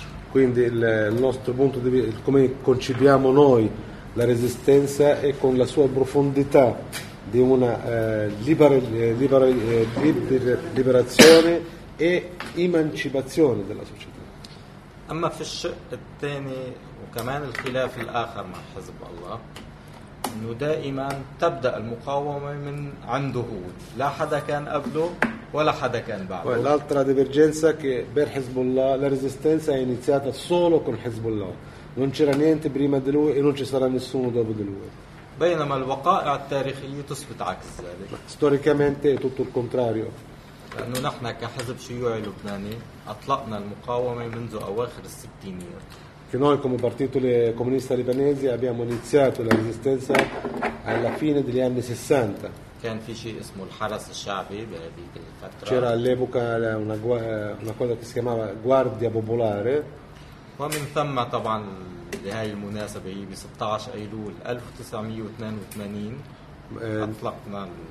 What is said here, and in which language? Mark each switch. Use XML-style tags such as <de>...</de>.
<it>Quindi il nostro punto di vista, come concepiamo noi la resistenza è con la sua profondità di una liberazione e emancipazione della società.</it> <ar>أما في الشق الثاني وكمان الخلاف الآخر مع حزب الله إنه دائما تبدأ المقاومة من عنده لا حدا كان قبله ولا حدا كان بعده.</ar> <it>L'altra divergenza che per Hezbollah la resistenza è iniziata solo con Hezbollah. Non c'era niente prima di lui e non ci sarà nessuno dopo di lui.</it> <ar>بينما الوقائع التاريخية تثبت عكس ذلك.</ar> <it>Storicamente è tutto il contrario.</it> <ar>لأنه نحن كحزب شيوعي لبناني أطلقنا المقاومة منذ أواخر الستينيات.</ar> <it>Che noi come partito comunista libanese abbiamo iniziato la resistenza alla fine degli anni 60.</it> <ar>كان في شيء اسمه الحرس الشعبي بهذيك الفتره</ar> <it>c'era all'epoca una cosa che si chiamava guardia popolare.</it> <ar>ومن ثم طبعا لهي المناسبه هي ب 16 ايلول 1982 اطلقنا</ar>